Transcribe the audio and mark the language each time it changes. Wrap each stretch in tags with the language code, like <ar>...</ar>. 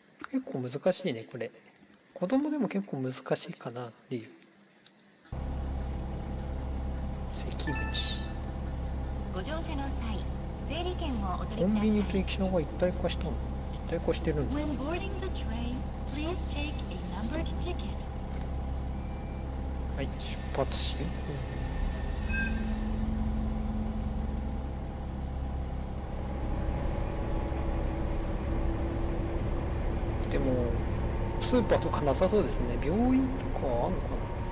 <ja>結構難しいね、これ。子供でも結構難しいかなっていう。関口。ご乗車の際、整理券をお取りください。コンビニと駅舎が一体化したの？一体化してるんだ。</ja> <en>When boarding the train, please take a numbered ticket.</en> <ja>はい、出発し、でもスーパーとかなさそうですね。病院とかあるのかな。</ja>